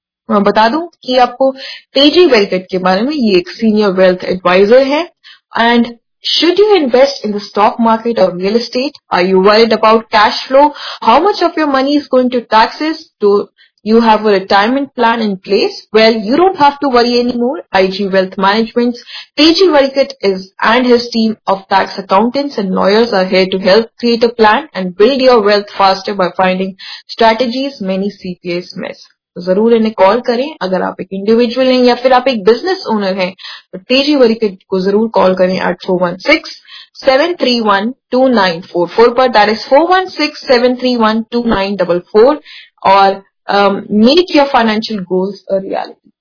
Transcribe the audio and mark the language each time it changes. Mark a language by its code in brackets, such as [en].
[hi] मैं बता दूं कि आपको तेजी वेलकट के बारे में, ये एक सीनियर वेल्थ एडवाइजर है। [en] And should you invest in the stock market or real estate, are you worried about cash flow, how much of your money is going to taxes, to you have a retirement plan in place, well you don't have to worry anymore. IG Wealth Management's TG Varikat is and his team of tax accountants and lawyers are here to help create a plan and build your wealth faster by finding strategies many CPAs miss. So [hi] जरूर इन्हें call करें। अगर आप एक individual हैं या फिर आप एक बिजनेस ओनर हैं तो तेजी वरिकट को जरूर कॉल करें 8416-731-2944 पर, [en] that is [hi] 416-731-2944, और [en] Make your financial goals a reality.